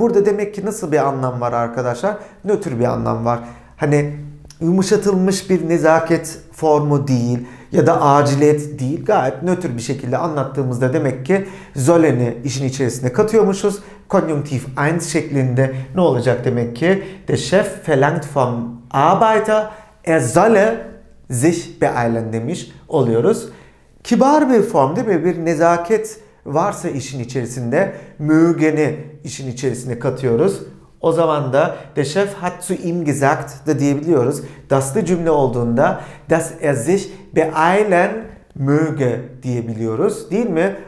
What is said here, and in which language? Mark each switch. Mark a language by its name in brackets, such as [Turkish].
[Turkish] Burada demek ki nasıl bir anlam var arkadaşlar? Nötr bir anlam var. Hani yumuşatılmış bir nezaket formu değil ya da aciliyet değil. Gayet nötr bir şekilde anlattığımızda demek ki solle'ni işin içerisine katıyormuşuz. Konjunktiv 1 şeklinde ne olacak demek ki? [German] Der Chef verlangt vom Arbeiter, er solle sich beeilen [Turkish] demiş oluyoruz. Kibar bir form değil mi? Bir nezaket varsa işin içerisinde, mögen'i işin içerisine katıyoruz. O zaman da [German] der Chef hat zu ihm gesagt [Turkish] da diyebiliyoruz. Daslı cümle olduğunda [German] dass er sich beeilen möge [Turkish] diyebiliyoruz değil mi?